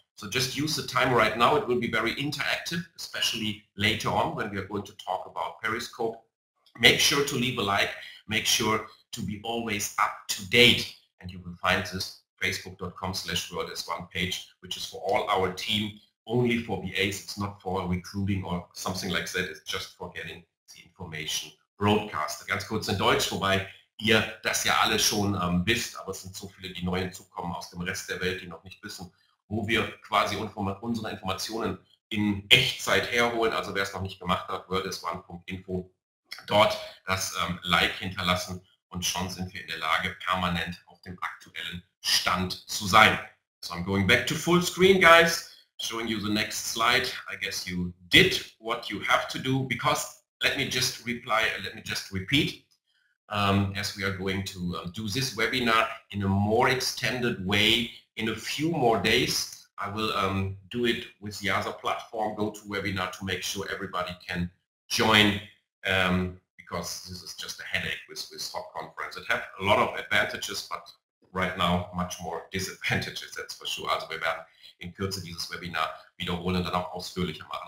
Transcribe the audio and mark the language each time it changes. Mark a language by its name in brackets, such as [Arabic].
[English] So just use the time right now. It will be very interactive, especially later on when we are going to talk about Periscope. Make sure to leave a like. Make sure to be always up to date. And you will find this facebook.com/worldis1 page, which is for all our team, only for BAs. It's not for recruiting or something like that. It's just for getting the information broadcast. [German] Ganz kurz in Deutsch, wobei ihr das ja alle schon wisst, aber es sind so viele, die neu hinzukommen aus dem Rest der Welt, die noch nicht wissen, wo wir quasi unsere Informationen in Echtzeit herholen. Also wer es noch nicht gemacht hat, worldis1.info, dort das Like hinterlassen und schon sind wir in der Lage, permanent auf dem aktuellen Stand zu sein. [English] So I'm going back to full screen, guys, showing you the next slide. I guess you did what you have to do, because let me just repeat. As we are going to do this webinar in a more extended way in a few more days. I will do it with the other platform, GoToWebinar, to make sure everybody can join, because this is just a headache with hot conference. It has a lot of advantages, but right now much more disadvantages, that's for sure. [German] Also wir werden in Kürze dieses Webinar wiederholen und dann auch ausführlicher machen.